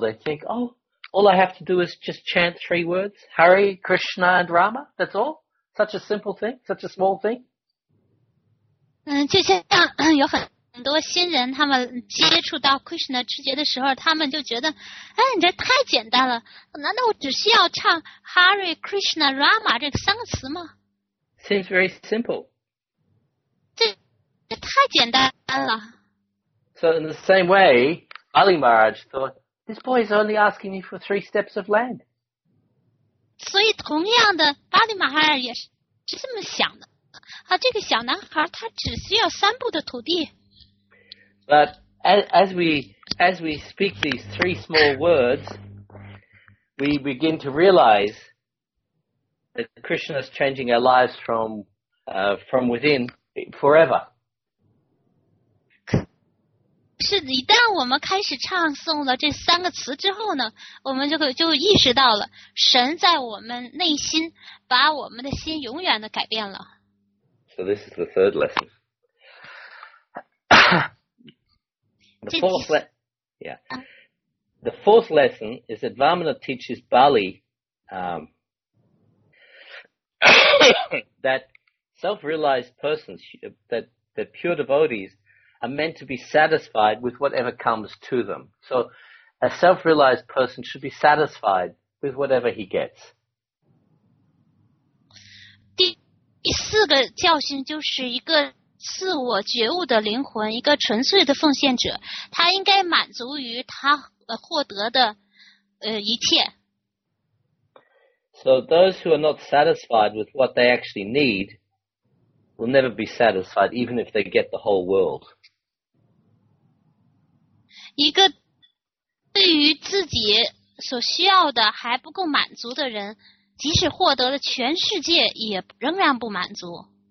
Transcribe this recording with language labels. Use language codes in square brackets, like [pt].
[en] They think, oh, all I have to do is just chant three words, Hare Krishna and Rama. That's all. Such a simple thing. Such a small thing. [zh] 就像有很多新人他们接触到 Krishna 直觉的时候，他们就觉得，哎，你这太简单了。难道我只需要唱 Hare Krishna Rama 这三个词吗？ [en] Seems very simple. [zh] 这太简单了。 [en] So in the same way, Ali Maharaj thought, this boy is only asking me for three steps of land. [zh] 所以同样的，巴利马哈尔也是这么想的。啊，这个小男孩他只需要三步的土地。 [en] But as we speak these three small words, we begin to realize that Krishna is changing our lives from within forever. [zh] 是，一旦我们开始唱诵了这三个词之后呢，我们就意识到了神在我们内心，把我们的心永远的改变了。 [en] So this is the third lesson. The fourth lesson is that Vamana teaches Bali that self-realized persons, that pure devotees are meant to be satisfied with whatever comes to them. So a self-realized person should be satisfied with whatever he gets. [zh] 第四个教训就是一个自我觉悟的灵魂，一个纯粹的奉献者，他应该满足于他获得的一切。 [en] So those who are not satisfied with what they actually need will never be satisfied, even if they get the whole world. [zh] 一个对于自己所需要的还不够满足的人，即使获得了全世界也仍然不满足。